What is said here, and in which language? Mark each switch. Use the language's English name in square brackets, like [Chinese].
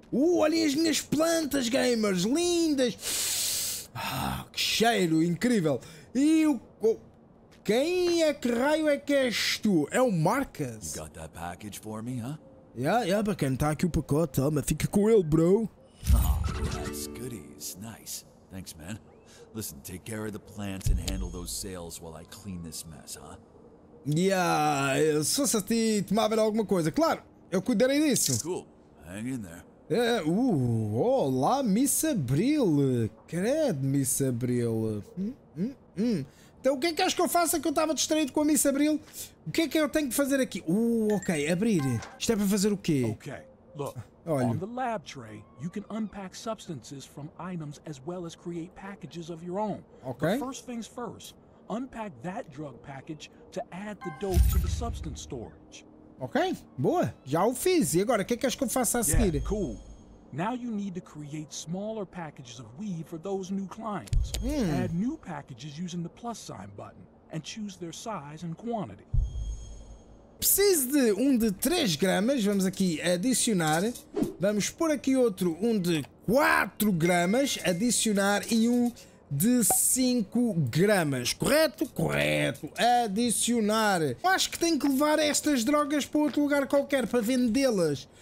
[Portuguese] Olhem as minhas plantas, gamers, lindas! Que cheiro, incrível! E o... quem é que raio é que és tu? É o Marcus. [English] You got that package for me, huh? [Portuguese] Yeah, bacana, está aqui o pacote, toma, fica com ele, bro. [English] That's goodies. Nice. Thanks, man. Listen, take care of the plants and handle those sales while I clean this mess, huh? [Portuguese] Yeah, se fosse a ti, tomava alguma coisa. Claro, eu cuidarei disso. [English] Cool. Hang in there. [Portuguese] Olá, Miss Abril. Credo, Miss Abril. Então, o que é que acho que eu faço? É que eu estava distraído com a Miss Abril. O que é que eu tenho que fazer aqui? Ok. Abrir. Isto é para fazer o quê? [English] Ok. Look. [Portuguese] Olha. [English] On the lab tray, you can unpack substances from items as well as create packages of your own. Okay. But first things first, unpack that drug package to add the dope to the substance storage. [Portuguese] Okay, boa. Já o fiz. E agora, o que é que acho que eu faço a seguir? [English] Yeah, cool. Now you need to create smaller packages of weed for those new clients. Add new packages using the plus sign button and choose their size and quantity. [Portuguese] Preciso de um de 3 gramas, vamos aqui adicionar. Vamos pôr aqui outro, um de 4 gramas, adicionar, e um de 5 gramas, correto? Correto, adicionar. Acho que tenho que levar estas drogas para outro lugar qualquer para vendê-las.